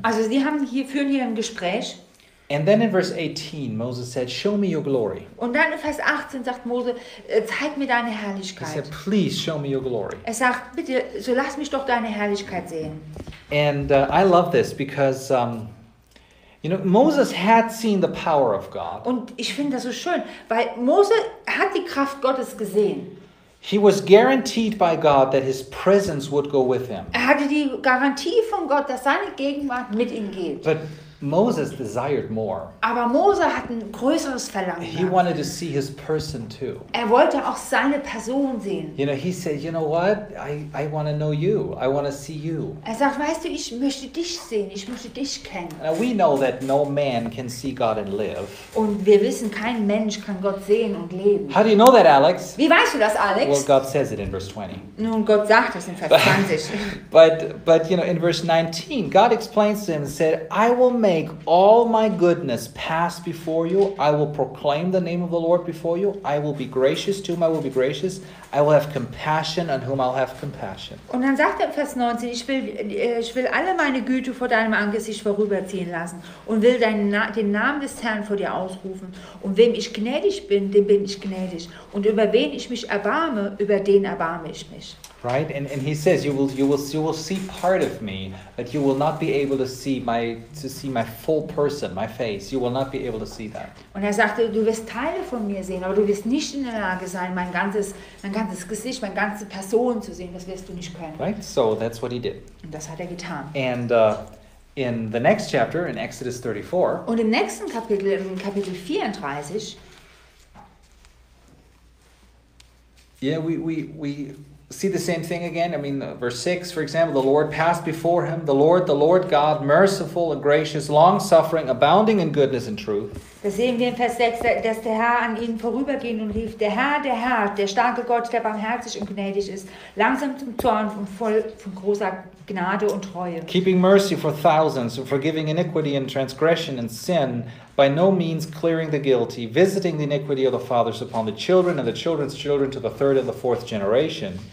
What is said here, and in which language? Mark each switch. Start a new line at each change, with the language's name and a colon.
German: Also sie haben hier, führen hier ein Gespräch.
English: And then in verse 18, Moses said, "Show me your glory."
German: Und dann in Vers 18 sagt Mose, zeig mir deine Herrlichkeit.
English: He said, "Please show me your glory."
German: Er sagt, bitte, so lass mich doch deine Herrlichkeit sehen.
English: And I love this because, you know, Moses had seen the power of God.
German: Und ich finde das so schön, weil Mose hat die Kraft Gottes gesehen.
English: He was guaranteed by God that his presence would go with him.
German: Er hatte die Garantie von Gott, dass seine Gegenwart mit ihm geht.
English: But Moses desired more.
German: Aber Mose hat ein größeres Verlangen.
English: He wanted to see his person too.
German: Er wollte auch seine Person sehen.
English: You know, he said, "You know what? I want to know you. I want to see you."
German: Er sagt, weißt du, ich möchte dich sehen. Ich möchte dich kennen.
English: Now we know that no man can see God and live.
German: Und wir wissen, kein Mensch kann Gott sehen und leben.
English: How do you know that, Alex?
German: Wie weißt du das, Alex?
English: Well, God says it in verse 20.
German: Nun, Gott sagt es in Vers 20.
English: But you know, in verse 19, God explains to him and said, "I will make all my goodness pass before you. I will proclaim the name of the Lord before you. I will be gracious to whom I will be gracious. I will have compassion on whom I'll have compassion."
German: Und dann sagt er in Vers 19, ich will alle meine Güte vor deinem Angesicht vorüberziehen lassen und will den Namen des Herrn vor dir ausrufen. Und wem ich gnädig bin, dem bin ich gnädig. Und über wen ich mich erbarme, über den erbarme ich mich.
English: Right, and he says you will see part of me, but you will not be able to see my full person, my face. You will not be able to see that.
German: Und er sagte, du wirst Teile von mir sehen, aber du wirst nicht in der Lage sein, mein ganzes Gesicht, meine ganze Person zu sehen. Das wirst du nicht können.
English: Right, so that's what he did.
German: Und das hat er getan.
English: And in the next chapter, in Exodus 34.
German: Und im nächsten Kapitel, in Kapitel 34.
English: Yeah, we see the same thing again. I mean, verse 6, for example, the Lord passed before him, the Lord God, merciful and gracious, long-suffering, abounding in goodness and truth.
German: Da sehen wir in Vers 6, dass der Herr an ihnen vorübergehen und rief, der Herr, der starke Gott, der barmherzig und gnädig ist, langsam zum Zorn und voll von großer Gnade und Treue.
English: Keeping mercy for thousands, forgiving iniquity and transgression and sin, by no means clearing the guilty, visiting the iniquity of the fathers upon the children and the children's children to the third and the fourth generation.